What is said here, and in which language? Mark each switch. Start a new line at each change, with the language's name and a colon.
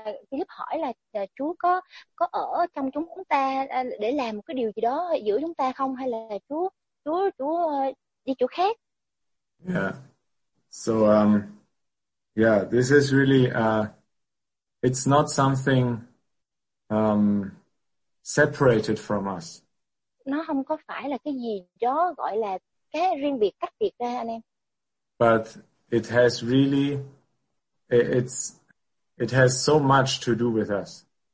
Vietnamese: Philip hỏi là Chúa có ở trong chúng ta để làm một cái điều gì đó giữa chúng ta không, hay là Chúa đi chỗ khác? Yeah.
English: So this is really it's not something separated from us.
Vietnamese: Nó không có phải là cái gì đó gọi là cái riêng biệt, cách biệt ra anh em.
English: But it has really it has so much to do with us.